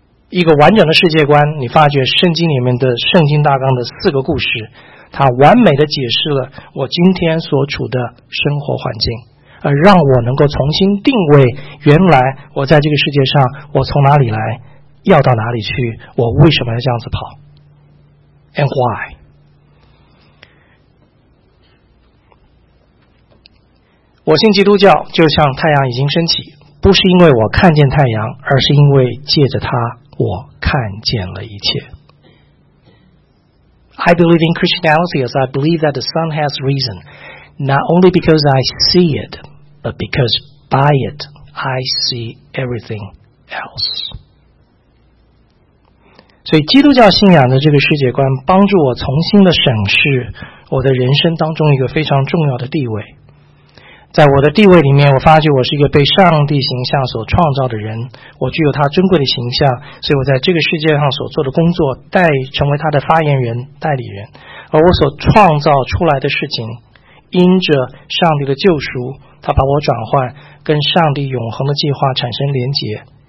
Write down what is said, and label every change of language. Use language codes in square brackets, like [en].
[zh] 一个完整的世界观，你发觉圣经里面的圣经大纲的四个故事，它完美的解释了我今天所处的生活环境，而让我能够重新定位原来我在这个世界上，我从哪里来，要到哪里去，我为什么要这样子跑 [en] and why。 [zh] 我信基督教就像太阳已经升起，不是因为我看见太阳，而是因为借着它我看见了一切。 [en] I believe in Christianity as I believe that the sun has risen, not only because I see it, but because by it I see everything else. [zh] 所以基督教信仰的这个世界观帮助我重新的审视我的人生当中一个非常重要的地位。在我的地位里面，我发觉我是一个被上帝形象所创造的人，我具有他尊贵的形象，所以我在这个世界上所做的工作成为他的发言人代理人，而我所创造出来的事情因着上帝的救赎，他把我转换，跟上帝永恒的计划产生连结。